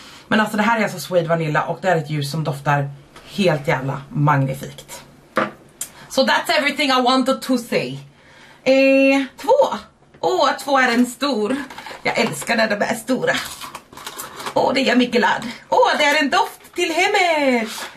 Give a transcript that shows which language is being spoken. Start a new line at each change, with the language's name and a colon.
Swedish: Men alltså det här är alltså suede vanilla och det är ett ljus som doftar helt jävla magnifikt.
English: So that's everything I wanted to say.
Swedish: 2. Åh, 2 är en stor. Jag älskar när de är stora. Åh, det gör mig glad. Åh, det är en doft till hemmet.